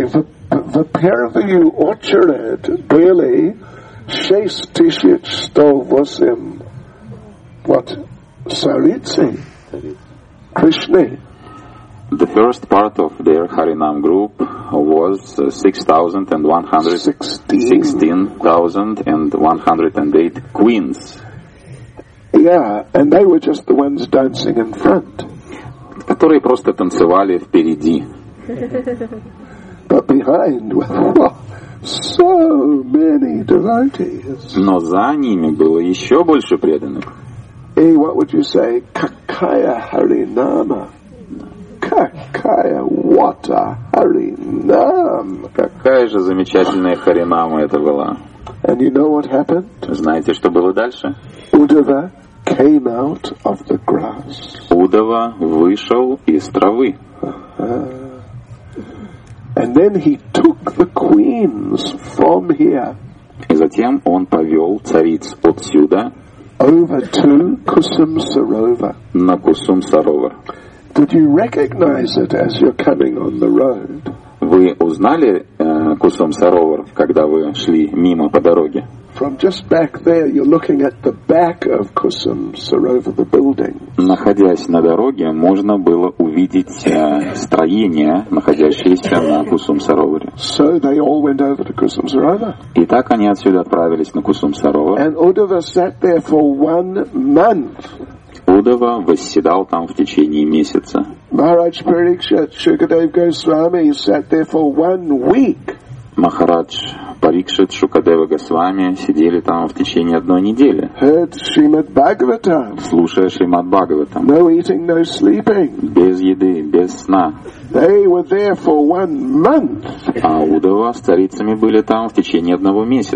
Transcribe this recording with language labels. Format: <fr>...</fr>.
<en>The pair of you orchard barely 6108 What? Sarici? Krishna. The first part of their Harinam group was 16,108 queens. Yeah, and they were just the ones dancing in front.</en> <ru>Которые просто танцевали впереди.</ru> <en>But behind were so many devotees.</en> <ru>Но за ними было еще больше преданных.</ru> <en>Hey, what would you say?</en> <ru>Какая Харинама? Какая,</ru> <en>what a</en> <ru>Харинам! Какая же замечательная Харинама это была.</ru> <en>And you know what happened?</en> <ru>Знаете, что было дальше?</ru> <en>Удава came out of the grass.</en> <ru>Удава вышел из травы.</ru> <en>And then he took the queens from here.</en> <ru>И затем он повел цариц отсюда.</ru> <en>Over to Kusum Sarovar.</en> <ru>На Кусум Саровар.</ru> <en>Did you recognize it as you're coming on the road?</en> <ru>Вы узнали Кусум Саровар, когда вы шли мимо по дороге?</ru> <en>From just back there, you're looking at the back of Kusum Sarovar, the building.</en> <ru>Находясь на дороге, можно было увидеть строение, находящееся на Кусум Сароваре.</ru> <en>So they all went over to Kusum Sarovar.</en> <ru>И так они отсюда отправились на Кусум Саровар.</ru> <en>And Udhava sat there for 1 month.</en> <ru>Удава восседал там в течение месяца.</ru> <en>Maharaj Parikshit Shukadev Goswami sat there for 1 week.</en> <ru>Махарадж Парикшит Шукадева Госвами сидели там в течение одной недели.</ru> <en>Heard Shrimad Bhagavatam.</en> <ru>Слушая Шримад Бхагаватам.</ru> <en>No eating, no sleeping.</en> <ru>Без еды, без сна.</ru> <en>They were there for 1 month.</en> <ru>А Удава с царицами были там в течение одного месяца.</ru>